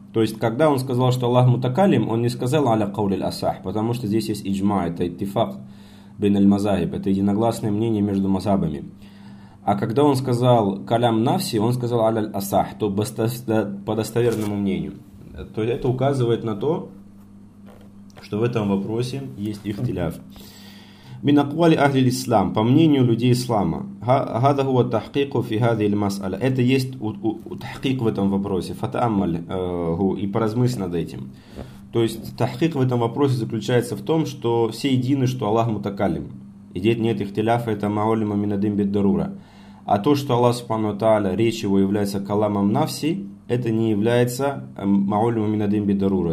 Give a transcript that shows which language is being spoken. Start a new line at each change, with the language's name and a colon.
Russian: То есть, когда он сказал, что Аллах мутакалим, он не сказал аля кауль ль-асахи, потому что здесь есть иджма, это иттифак бин аль-мазахиб, это единогласное мнение между мазабами. А когда он сказал калям навси, он сказал аля ль-асахи, то по достоверному мнению. То есть, это указывает на то, что в этом вопросе есть ихтиляф.
Arabic: من أقوال أهل الإسلام،
Russian: по мнению людей ислама،
Arabic: هذا هو التحقيق في هذه المسألة.
Russian: Это есть تحقيق в этом вопросе.
Arabic: فتأمل هو
Russian: и поразмысли над этим. То есть تحقيق в этом вопросе заключается в том, что все едины, что Аллах мутакалим. И здесь нет ихтиляфа, это маолима минадим биддарура. А то, что Аллах Субхану Тааля, речь его является каламом навси, это не является маолима минадим биддарура.